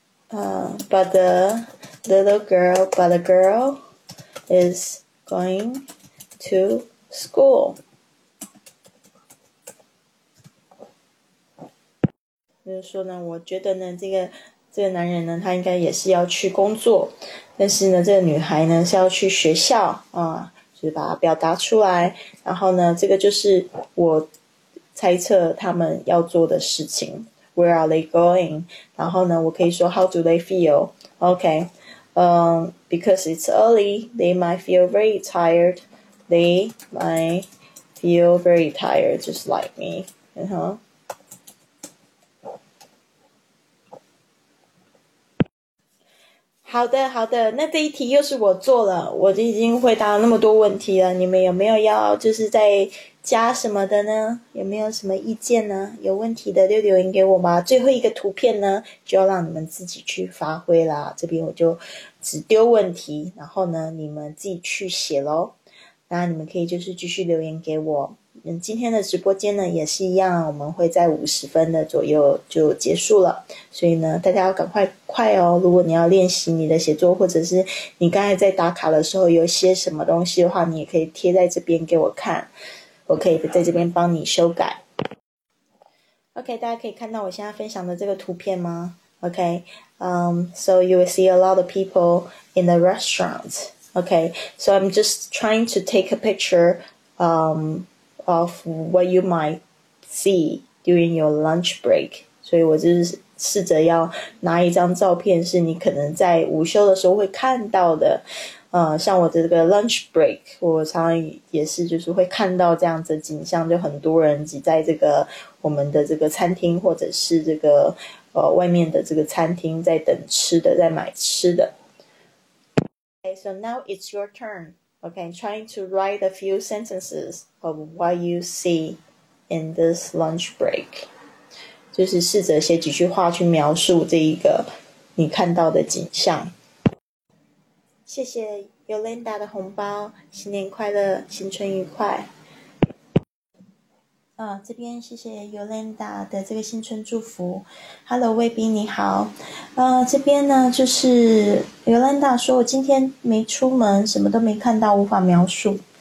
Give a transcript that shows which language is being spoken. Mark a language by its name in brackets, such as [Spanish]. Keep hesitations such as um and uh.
[English] Uh, but the little girl, but the girl is going to school。 [Chinese] 就是说呢，我觉得呢，这个这个男人呢，他应该也是要去工作，但是呢，这个女孩呢是要去学校啊，就是把它表达出来。然后呢，这个就是我猜测他们要做的事情。 [English] Where are they going？ [Chinese] 然后呢，我可以说 [English] How do they feel？OK，嗯，because it's early，they might feel very tired。 They might feel very tired，just like me， [Chinese] 然后。好的，好的，那这一题又是我做了，我就已经回答了那么多问题了。你们有没有要就是在加什么的呢？有没有什么意见呢？有问题的就留言给我嘛。最后一个图片呢，就要让你们自己去发挥了。这边我就只丢问题，然后呢，你们自己去写喽。那你们可以就是继续留言给我。嗯，今天的直播间呢也是一样，我们会在五十分的左右就结束了，所以呢，大家要赶快快哦！如果你要练习你的写作，或者是你刚才在打卡的时候有些什么东西的话，你也可以贴在这边给我看，我可以在这边帮你修改。 OK，大家可以看到我现在分享的这个图片吗？OK，嗯、um,， [English] So you will see a lot of people in the restaurants. OK，So、okay, I'm just trying to take a picture，、um, of what you might see during your lunch break. [Chinese] 所以我就是试着要拿一张照片，是你可能在午休的时候会看到的。呃，像我的这个 lunch break，我常常也是就是会看到这样子的景象，就很多人挤在这个我们的这个餐厅，或者是这个呃外面的这个餐厅在等吃的，在买吃的。 [English] Okay, so now it's your turn. Okay, trying to write a few sentences of what you see in this lunch break， [Chinese] 就是试着写几句话去描述这一个你看到的景象。谢谢 Yolanda 的红包，新年快乐，新春愉快。啊、呃，这边谢谢 Yolanda 的这个新春祝福。 Hello，卫兵你好。呃，这边呢就是 Yolanda 说，我今天没出门，什么都没看到，无法描述。